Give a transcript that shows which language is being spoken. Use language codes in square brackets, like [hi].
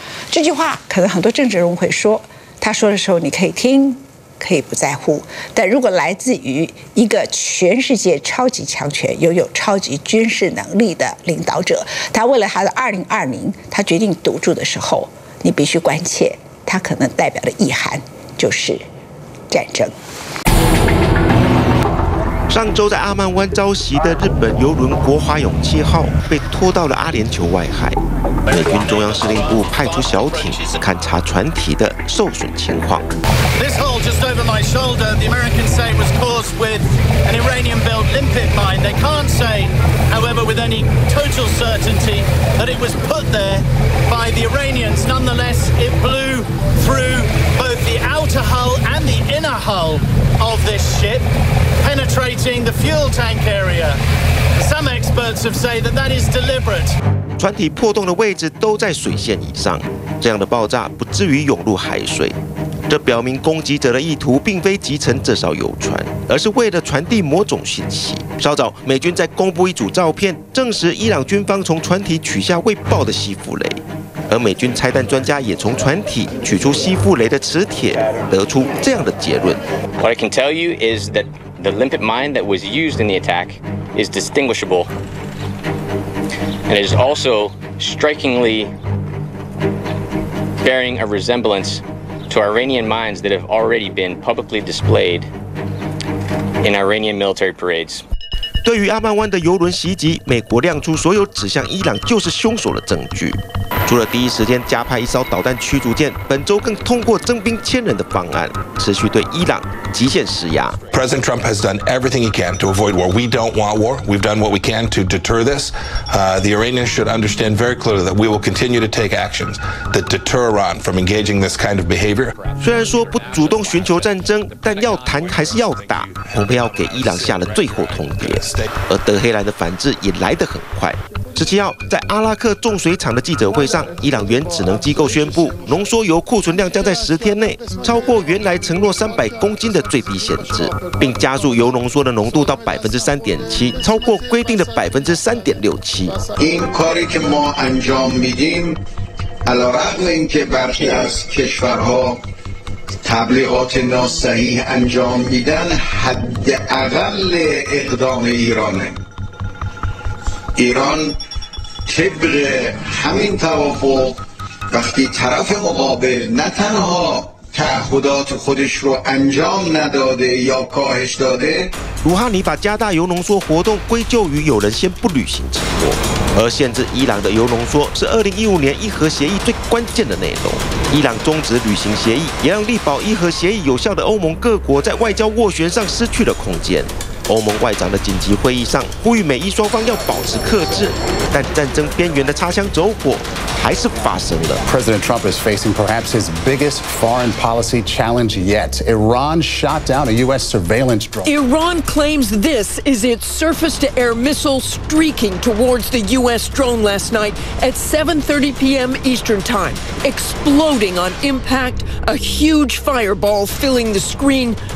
[zh] 这句话可能很多政治人物会说，他说的时候你可以听可以不在乎，但如果来自于一个全世界超级强权拥有超级军事能力的领导者，他为了他的2020他决定赌注的时候，你必须关切他可能代表的意涵，就是战争。上周在阿曼湾遭袭的日本邮轮国华勇气号被拖到了阿联酋外海，美军中央司令部派出小艇勘察船体的受损情况。 [en] This hole just over my shoulder, the Americans say was caused with an Iranian-built limpet mine. They can't say, however, with any total certainty that it was put there by the Iranians. Nonetheless, it blew through both the outer hull and the inner hull of this ship, penetrating the fuel tank area. Some experts have said that that is deliberate. [zh] 船体破洞的位置都在水线以上，这样的爆炸不至于涌入海水，这表明攻击者的意图并非击沉这艘游船，而是为了传递某种信息。稍早美军在公布一组照片，证实伊朗军方从船体取下未爆的吸附雷，而美军拆弹专家也从船体取出吸附雷的磁铁，得出这样的结论。 [en] What I can tell you is that the limpet mine that was used in the attack is distinguishableAnd it is also strikingly bearing a resemblance to Iranian mines that have already been publicly displayed in Iranian military parades. [zh] 对于阿曼湾的邮轮袭击，美国亮出所有指向伊朗就是凶手的证据。除了第一时间加派一艘导弹驱逐舰，本周更通过征兵千人的方案，持续对伊朗极限施压。 [en] President Trump has done everything he can to avoid war. We don't want war. We've done what we can to deter this. The Iranians should understand very clearly that we will continue to take actions that deter Iran from engaging this kind of behavior. [zh] 虽然说不主动寻求战争，但要谈还是要打，恐怕要给伊朗下了最后通牒。而德黑兰的反制也来得很快。十七号，在阿拉克重水厂的记者会上，伊朗原子能机构宣布，浓缩铀库存量将在十天内超过原来承诺300公斤的最低限制，并加速铀浓缩的浓度到3.7%，超过规定的3.67%。 [fa] تبلیغات ناصحیح انجام میدن حد اقل اقدام ایرانه ایران طبق همین توافق وقتی طرف مقابل نه تنها تعهدات خودش رو انجام نداده یا کاهش داده [zh] 卢哈尼把加大铀浓缩活动归咎于有人先不履行承诺，而限制伊朗的铀浓缩是2015年伊核协议最关键的内容。伊朗终止履行协议，也让力保伊核协议有效的欧盟各国在外交斡旋上失去了空间。欧盟外长的紧急会议上呼吁美伊双方要保持克制，但战争边缘的擦枪走火还是发生了。 [en] President Trump is facing perhaps his biggest foreign policy challenge yet. Iran shot down a U.S. surveillance drone. Iran claims this is its surface-to-air missile streaking towards the U.S. drone last night at 7:30 p.m. Eastern Time, exploding on impact, a huge fireball filling the screen.